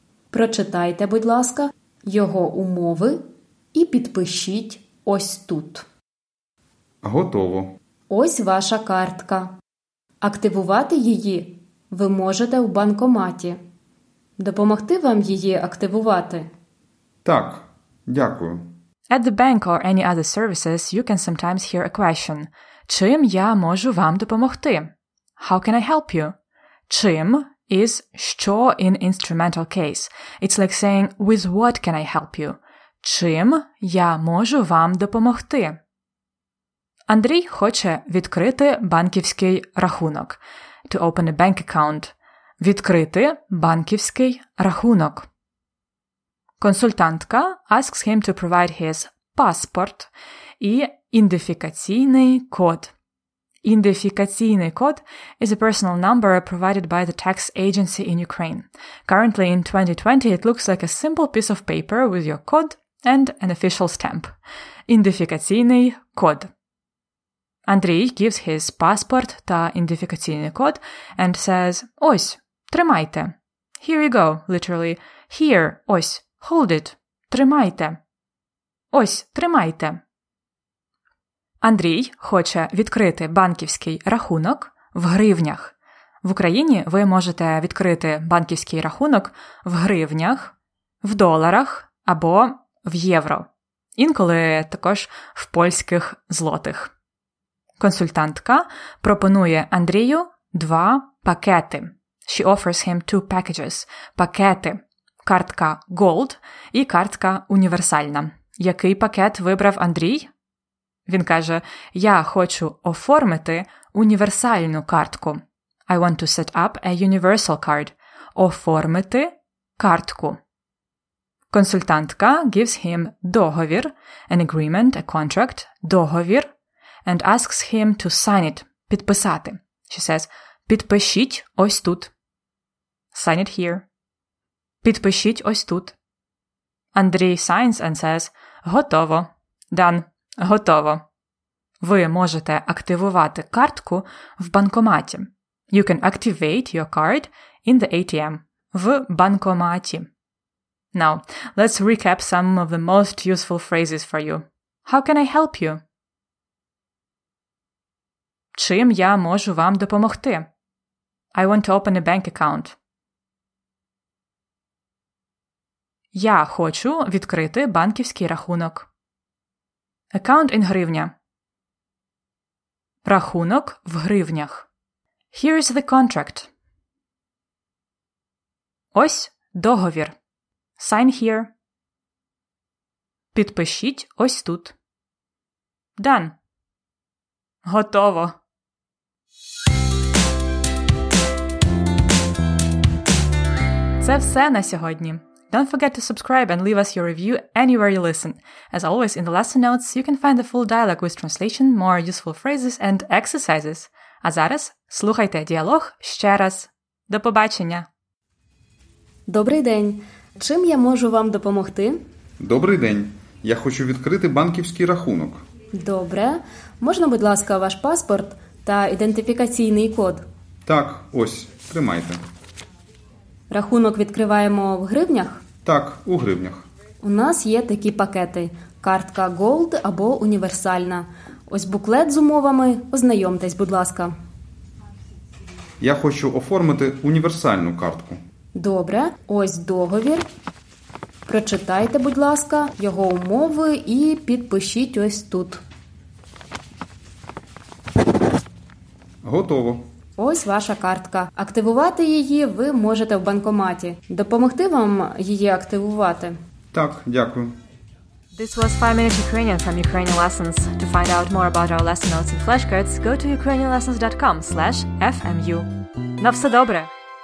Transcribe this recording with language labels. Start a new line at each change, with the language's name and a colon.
Ukrainian: Прочитайте, будь ласка, його умови і підпишіть ось тут. Готово. Ось ваша картка. Активувати її ви можете в банкоматі. Допомогти вам її активувати? Так, дякую.
English: At the bank or any other services, you can sometimes hear a question.
Ukrainian: Чим я можу вам допомогти?
English: How can I help you? Чим is що in instrumental case. It's like saying, with what can I help you?
Ukrainian: Чим я можу вам допомогти? Андрій хоче відкрити банківський рахунок.
English: To open a bank account.
Ukrainian: Відкрити банківський рахунок. Консультантка
English: asks him to provide his
Ukrainian: паспорт і ідентифікаційний код.
English: Ідентифікаційний код is a personal number provided by the tax agency in Ukraine. Currently in 2020 it looks like a simple piece of paper with your code and an official stamp.
Ukrainian: Ідентифікаційний код. Андрій
English: gives his
Ukrainian: паспорт та ідентифікаційний код
English: and says,
Ukrainian: ось, тримайте.
English: Here you go, literally. Here, ось. Hold it. Тримайте.
Ukrainian: Ось, тримайте. Андрій хоче відкрити банківський рахунок в гривнях. В Україні ви можете відкрити банківський рахунок в гривнях, в доларах або в євро. Інколи також в польських злотих. Консультантка пропонує Андрію два пакети.
English: She offers him two packages.
Ukrainian: Пакети. Картка Gold і картка універсальна. Який пакет вибрав Андрій? Він каже, я хочу оформити універсальну картку.
English: I want to set up a universal card.
Ukrainian: Оформити картку.
English: Консультантка gives him договір, an agreement, a contract, договір, and asks him to sign it, підписати. She says,
Ukrainian: підпишіть ось тут.
English: Sign it here.
Ukrainian: Підпишіть ось тут.
English: Андрій signs and says, готово. Done. Готово.
Ukrainian: Ви можете активувати картку в банкоматі.
English: You can activate your card in the ATM.
Ukrainian: В банкоматі.
English: Now, let's recap some of the most useful phrases for you. How can I help you?
Ukrainian: Чим я можу вам допомогти?
English: I want to open a bank account.
Ukrainian: Я хочу відкрити банківський рахунок.
English: Account in гривня.
Ukrainian: Рахунок в гривнях.
English: Here is the contract.
Ukrainian: Ось договір.
English: Sign here.
Ukrainian: Підпишіть ось тут. Done. Готово. Це все на сьогодні. Don't forget to subscribe and leave us your review anywhere you listen. As always, in the lesson notes, you can find the full dialogue with translation, more useful phrases and exercises. А зараз слухайте діалог ще раз. До побачення! Добрий день! Чим я можу вам допомогти? Добрий день! Я хочу відкрити банківський рахунок. Добре. Можна, будь ласка, ваш паспорт та ідентифікаційний код? Так, ось, тримайте. Рахунок відкриваємо в гривнях? Так, у гривнях. У нас є такі пакети – картка Gold або універсальна. Ось буклет з умовами, ознайомтесь, будь ласка. Я хочу оформити універсальну картку. Добре, ось договір. Прочитайте, будь ласка, його умови і підпишіть ось тут. Готово. Ось ваша картка. Активувати її ви можете в банкоматі. Допомогти вам її активувати? Так, дякую.
English: This was 5 Minutes Ukrainian from Ukrainian Lessons. To find out more about our lesson notes and flashcards, go to ukrainianlessons.com/fmu.
Ukrainian: На все добре!